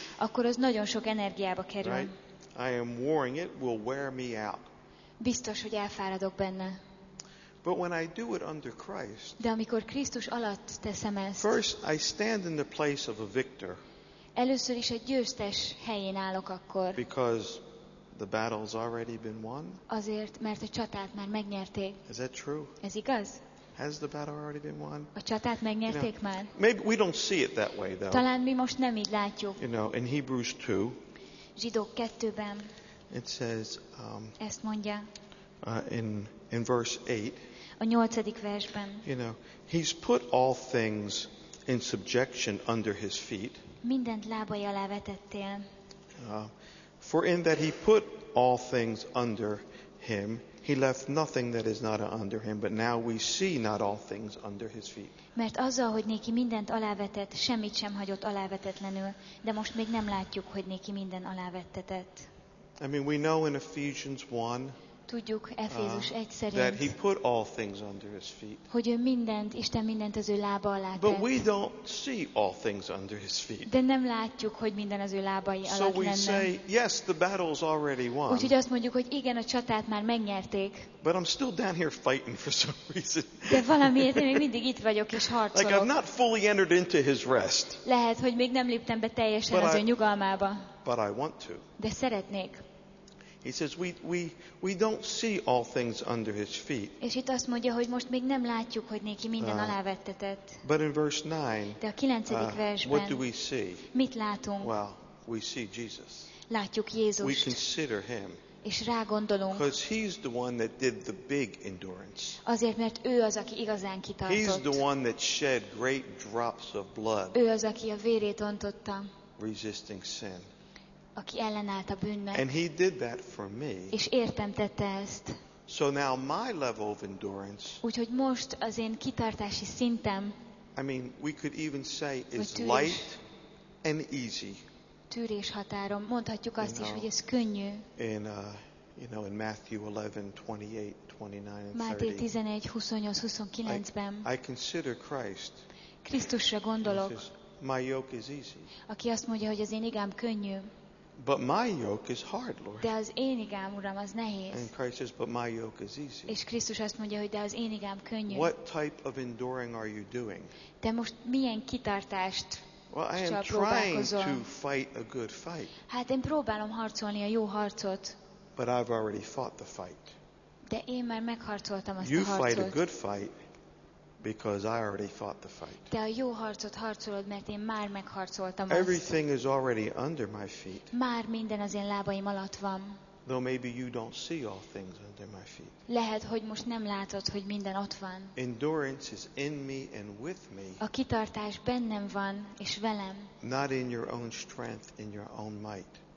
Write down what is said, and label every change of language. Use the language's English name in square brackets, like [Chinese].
[Hungarian] Akkor az nagyon sok energiába kerül. [English] Right? I am warring it will wear me out. [Hungarian] Biztos, hogy elfáradok benne. [English] But when I do it under Christ. [Hungarian] De amikor Krisztus alatt teszem ezt. [English] First I stand in the place of a victor. [Hungarian] Először is egy győztes helyén állok akkor. [English] Because the battle's already been won. [Hungarian] Azért, mert a csatát már megnyerték. [English] Is that true? [Hungarian] Ez igaz? [English] Has the battle already been won? [Hungarian] A csatát megnyerték már. [English] Maybe we don't see it that way though. [Hungarian] Talán mi most nem így látjuk. [English] You know, in Hebrews 2. [Hungarian] Zsidók 2-ben. [English] It says [Hungarian] ezt mondja. [English] In verse 8. [Hungarian] A 8. versben. [English] You know, he's put all things in subjection under his feet. [Hungarian] Mindent lábai alá vetettél. [English] For in that he put all things under him, he left nothing that is not under him, but now we see not all things under his feet. [Hungarian] Mert azzal, hogy néki mindent alávetett, semmit sem hagyott alávetetlenül, de most még nem látjuk, hogy néki minden alávettetett. [English] I mean, we know in Ephesians 1, [Hungarian] tudjuk Efézus 1 szerint, [English] that he put all things under his feet. [Hungarian] Hogy ő mindent, Isten mindent az ő lába alá tett. [English] But we don't see all things under his feet. [Hungarian] De nem látjuk, hogy minden az ő lábai alatt lenne. [English] So we say, yes, the battle's already won. [Hungarian] Úgyhogy azt mondjuk, hogy igen, a csatát már megnyerték. [English] But I'm still down here fighting for some reason. [Hungarian] De valamiért én még mindig itt vagyok és harcolok. [English] Like I've not fully entered into his rest. [Hungarian] Lehet, hogy még nem léptem be teljesen [English] but [Hungarian] az ő nyugalmába. [English] But I want to. [Hungarian] De szeretnék. [English] He says we don't see all things under his feet. [Hungarian] És itt azt mondja, hogy most még nem látjuk, hogy néki minden alávettetett. [English] But in verse 9. [Hungarian] De a 9. versben. [English] What do we see? [Hungarian] Mit látunk? [English] Well, we see Jesus. [Hungarian] Látjuk Jézust. [English] We consider him. [Hungarian] És rá gondolunk. [English] Because he's the one that did the big endurance. [Hungarian] Azért, mert ő az, aki igazán kitartott. [English] He's the one that shed great drops of blood. [Hungarian] Ő az, aki a vérét ontotta. [English] Resisting sin. [Hungarian] Aki ellenállt a bűnnek. [English] And he did that for me. [Hungarian] És értem tette ezt. [English] So now my level of endurance. [Hungarian] Úgyhogy most az én kitartási szintem. [English] I mean, we could even say is light and easy. [Hungarian] Tűrés határom. Mondhatjuk azt is, hogy ez könnyű. [English] In you know, in Matthew 11:28-29. [Hungarian] Máté 11:28-29-ben. [English] I consider Christ. [Hungarian] Krisztusra gondolok. [English] My yoke is easy. [Hungarian] Aki azt mondja, hogy az én igám könnyű. [English] But my yoke is hard, Lord. [Hungarian] De az én igám, Uram, az nehéz. [English] And Christ says, but my yoke is easy. [Hungarian] És Krisztus azt mondja, hogy de az én igám könnyű. [English] What type of enduring are you doing? [Hungarian] De most milyen kitartást [English] well, I am trying to fight a good fight. [Hungarian] Hát én próbálom harcolni a jó harcot. [English] But I've already fought the fight. [Hungarian] De én már megharcoltam azt [English] you [Hungarian] a harcot. [English] You fight a good fight because I already fought the fight. [Hungarian] De a jó harcot harcolod, mert én már megharcoltam azt. [English] Everything is already under my feet. [Hungarian] Már minden az én lábaim alatt van. [English] Though maybe you don't see all things under my feet. [Hungarian] Lehet, hogy most nem látod, hogy minden ott van. [English] Endurance is in me and with me. [Hungarian] A kitartás bennem van és velem. [English] Not in your own strength, in your own might.